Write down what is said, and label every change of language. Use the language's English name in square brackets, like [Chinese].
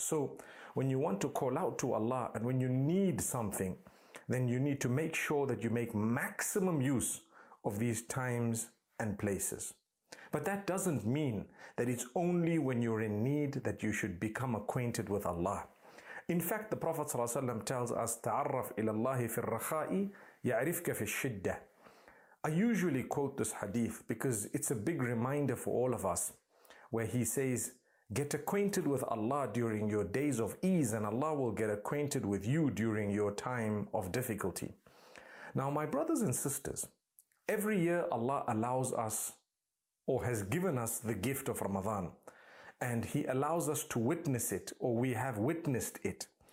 [English] So when you want to call out to Allah and when you need something, then you need to make sure that you make maximum use of these times and places. But that doesn't mean that it's only when you're in need that you should become acquainted with Allah. In fact, the Prophet ﷺ tells us, [Arabic] تعرف إلى الله في الرخاء يعرفك في الشدة. [English] I usually quote this hadith because it's a big reminder for all of us, where he says, get acquainted with Allah during your days of ease and Allah will get acquainted with you during your time of difficulty. Now, my brothers and sisters, every year Allah allows us or has given us the gift of Ramadan, and He allows us to witness it, or we have witnessed it.